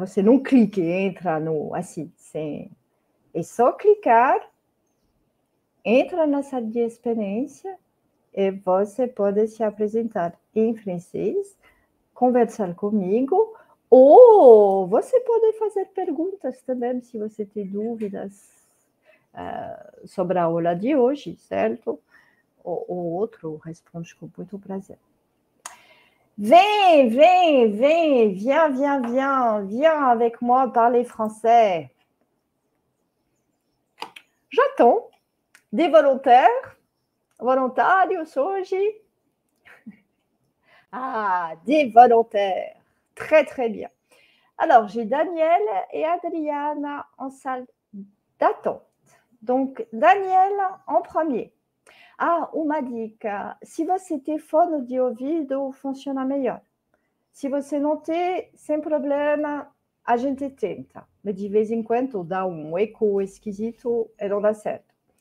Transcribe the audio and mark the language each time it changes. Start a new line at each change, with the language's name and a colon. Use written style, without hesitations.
Portuguese: Você não clica e entra no assim, sim. É só clicar, entra na sala de experiência e você pode se apresentar em francês, conversar comigo, ou você pode fazer perguntas também se você tem dúvidas, sobre a aula de hoje, certo? Ou outro responde com muito prazer.
French: Viens, viens, viens, viens, viens, viens, viens avec moi parler français. J'attends des volontaires,
Portuguese: voluntarios hoje.
French: Ah, des volontaires. Très, très bien. Alors, j'ai Daniel et Adriana en salle d'attente. Donc, Daniel en premier. Ah, on m'a dit que si votre téléphone audio-vidéo fonctionne meilleur.
Portuguese: Se você não ter, sem problema, a gente tenta. Mas de vez em quando dá um eco esquisito e não dá certo.